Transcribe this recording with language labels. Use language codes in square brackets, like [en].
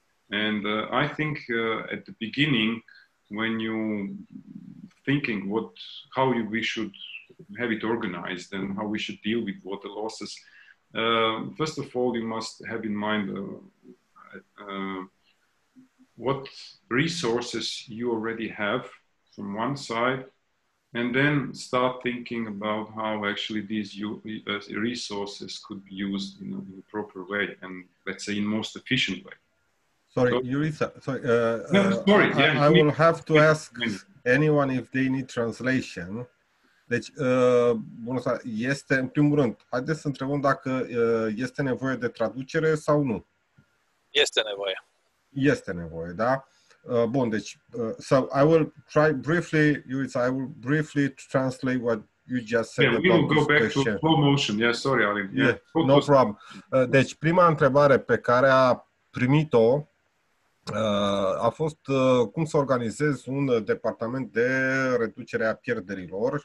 [en] And I think at the beginning, when you thinking how we should have it organized and how we should deal with water losses, first of all, you must have in mind what resources you already have from one side, and then start thinking about how actually these resources could be used in a proper way and, let's say, in most efficient way. Sorry, Yurita. I will have to ask anyone if they need translation. [ro] Deci, bună seara, este, în primul rând, haideți să întrebăm dacă este nevoie de traducere sau nu. Este nevoie. Este nevoie, da? Bun, deci, [en] so I will try briefly, Yurita, I will briefly translate what you just said. Yeah, we will go back question. To slow motion. Yeah, sorry, Alin. Yeah, no problem. [ro] Deci, prima întrebare pe care a primit-o, a fost cum să organizez un departament de reducere a pierderilor.